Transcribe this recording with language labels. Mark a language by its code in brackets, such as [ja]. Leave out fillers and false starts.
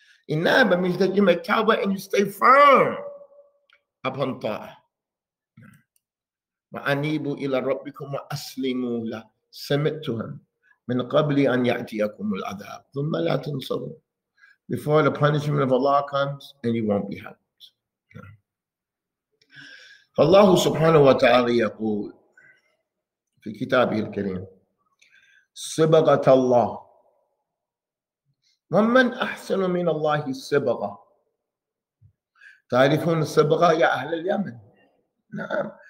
[en] Inaba means that you make tawbah and you stay firm upon ta'ah. [ar] وأنيبوا إلى ربكم وأسلموا له. [en] Submit to him. [ar] من قبل أن يأتيكم العذاب. ثم لا تنصروا. [en] Before the punishment of Allah comes and you won't be helped. [ar] فالله سبحانه وتعالى يقول في كتابه الكريم صبغة الله ومن أحسن من الله صبغة. تعرفون الصبغة يا أهل اليمن؟ نعم.